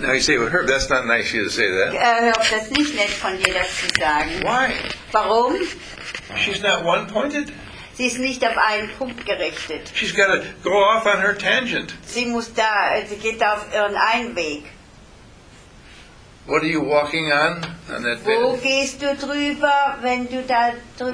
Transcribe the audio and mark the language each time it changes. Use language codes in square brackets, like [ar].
[en] Now you say, well, Herb, that's not nice of you to say that. [de] Das nicht nett von dir, das zu sagen. [en] Why? [de] Warum? [en] She's not one-pointed. [de] Sie ist nicht auf einen Punkt gerichtet. [en] She's got to go off on her tangent. [de] Sie geht auf ihren einen Weg. [en] What are you walking on? [de] Wo gehst du drüber, wenn du da drüber gehst?